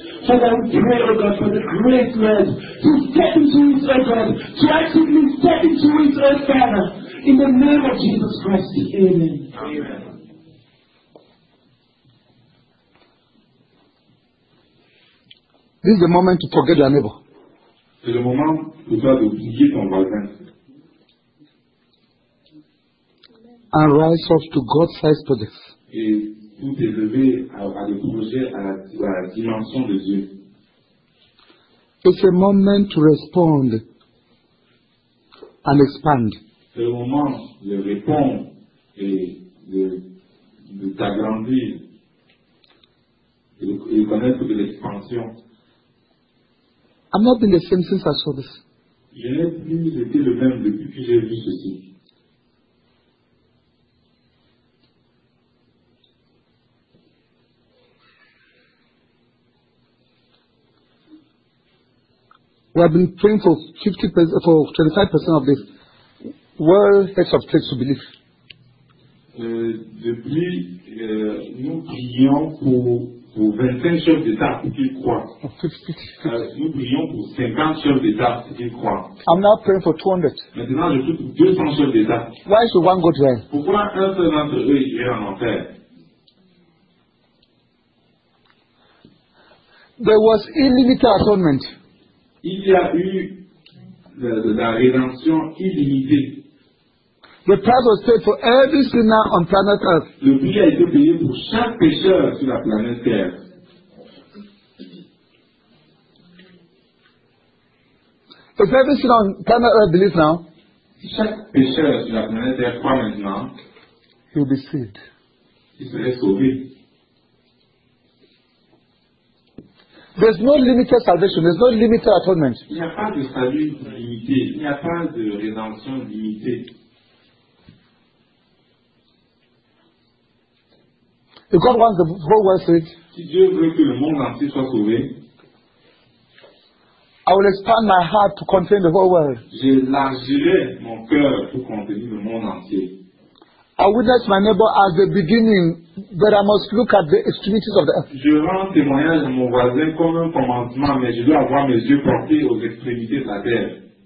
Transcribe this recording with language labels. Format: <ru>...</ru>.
<en>Father, we pray, O God, for the great man to step into his, O God, to actively step into his, O God. In the name of Jesus Christ, amen. Amen. This is the moment to forget your neighbor.</en> <fr>C'est le moment pour toi d'oublier ton voisin.</fr> <en>And rise up to God-sized projects.</en> <fr>Et tout est levé à des projets à la dimension de Dieu.</fr> <en>It's a moment to respond and expand.</en> <fr>C'est le moment de répondre et de t'agrandir et de connaître de l'expansion.</fr> <en>I've not been the same since I saw this.</en> <fr>Je n'ai plus été le même depuis que j'ai vu ceci.</fr> <en>We have been praying for 25% of this. World heads of church to believe.</en> <fr>Depuis, nous prions pour 25 chefs d'État pour qu'ils croient. Nous prions pour 50 chefs d'État pour qu'ils croient.</fr> <en>I'm now praying for 200.</en> <fr>Maintenant, je prie pour 200 chefs d'État.</fr> <en>Why should one go to hell?</en> <fr>Pourquoi un seul d'entre eux irait en enfer?</fr> <en>There was illimited atonement.</en> <fr>Il y a eu la rédemption illimitée.</fr> <en>The price was paid for every sinner on planet Earth.</en> <fr>Le prix a été payé pour chaque pécheur sur la planète Terre.</fr> <en>If every sin on planet Earth believes now,</en> <fr>chaque pécheur sur la planète Terre croit maintenant,</fr> <en>he'll be saved.</en> <fr>Il serait sauvé.</fr> <en>There's no limited salvation. There's no limited atonement.</en> <fr>Il n'y a pas de salut limité. Il n'y a pas de rédemption limitée.</fr> <en>If God wants the whole world saved,</en> <fr>si Dieu veut que le monde entier soit sauvé,</fr> <en>I will expand my heart to contain the whole world.</en> <fr>J'élargirai mon cœur pour contenir le monde entier.</fr> <en>I witness my neighbor as the beginning, but I must look at the extremities of the earth.</en> <fr>Je rends témoignage à mon voisin comme un commencement, mais je dois avoir mes yeux portés aux extrémités de la terre.</fr>